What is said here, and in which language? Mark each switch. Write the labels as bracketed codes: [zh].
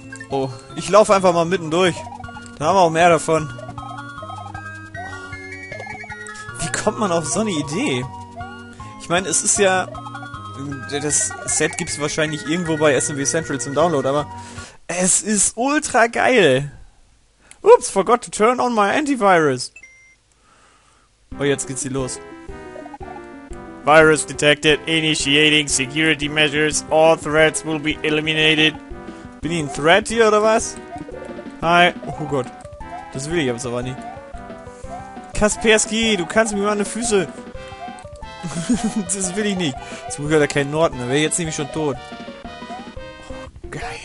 [de] Oh, ich laufe einfach mal mittendurch. Da haben wir auch mehr davon. Wie kommt man auf so eine Idee? Ich meine, es ist ja... Das Set gibt es wahrscheinlich irgendwo bei SMW Central zum Download, aber... Es ist ultra geil. [en] Ups, forgot to turn on my antivirus. [de] Oh, jetzt geht's hier los. [en] Virus detected, initiating security measures, all threats will be eliminated. [de] Bin ich ein Threat hier, oder was? Hi. Oh Gott. Das will ich jetzt aber nicht. Kaspersky, du kannst mir meine Füße... Das will ich nicht. Zum Glück hat er keinen Norden, dann wäre jetzt nämlich schon tot. Oh, geil.